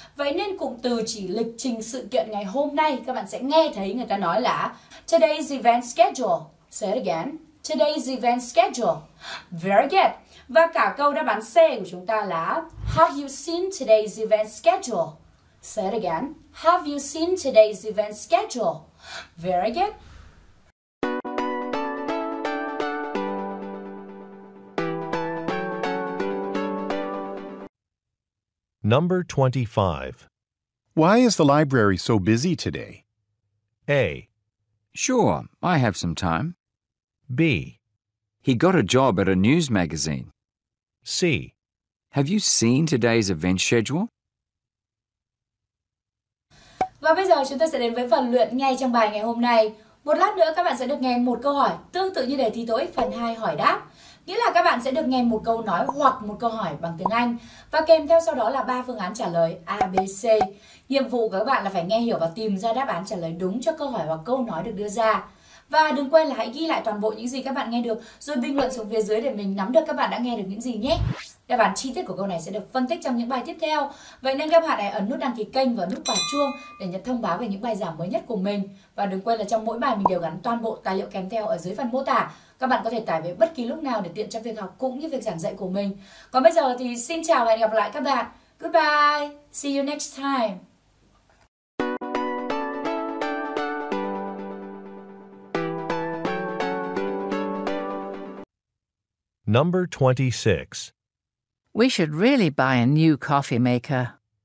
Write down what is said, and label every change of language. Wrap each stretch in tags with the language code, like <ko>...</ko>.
<vi>Vậy nên cụm từ chỉ lịch trình sự kiện ngày hôm nay, các bạn sẽ nghe thấy người ta nói là</vi> <en>today's event schedule. Say it again. Today's event schedule. Very good.</en> <vi>Và cả câu đáp án C của chúng ta là</vi> <en>have you seen today's event schedule? Say it again. Have you seen today's event schedule? Very good. Number 25. Why is the library so busy today? A. Sure, I have some time. B. He got a job at a news magazine. C. Have you seen today's event schedule?</en> <vi>Và bây giờ chúng ta sẽ đến với phần luyện ngay trong bài ngày hôm nay. Một lát nữa các bạn sẽ được nghe một câu hỏi tương tự như đề thi TOEIC phần 2 hỏi đáp. Nghĩa là các bạn sẽ được nghe một câu nói hoặc một câu hỏi bằng tiếng Anh và kèm theo sau đó là 3 phương án trả lời A, B, C. Nhiệm vụ của các bạn là phải nghe hiểu và tìm ra đáp án trả lời đúng cho câu hỏi hoặc câu nói được đưa ra. Và đừng quên là hãy ghi lại toàn bộ những gì các bạn nghe được rồi bình luận xuống phía dưới để mình nắm được các bạn đã nghe được những gì nhé. Đáp án chi tiết của câu này sẽ được phân tích trong những bài tiếp theo. Vậy nên các bạn hãy ấn nút đăng ký kênh và nút quả chuông để nhận thông báo về những bài giảng mới nhất của mình. Và đừng quên là trong mỗi bài mình đều gắn toàn bộ tài liệu kèm theo ở dưới phần mô tả. Các bạn có thể tải về bất kỳ lúc nào để tiện cho việc học cũng như việc giảng dạy của mình. Còn bây giờ thì xin chào và hẹn gặp lại các bạn.</vi> <en>Goodbye, see you next time. Number 26. We should really buy a new coffee maker.</en>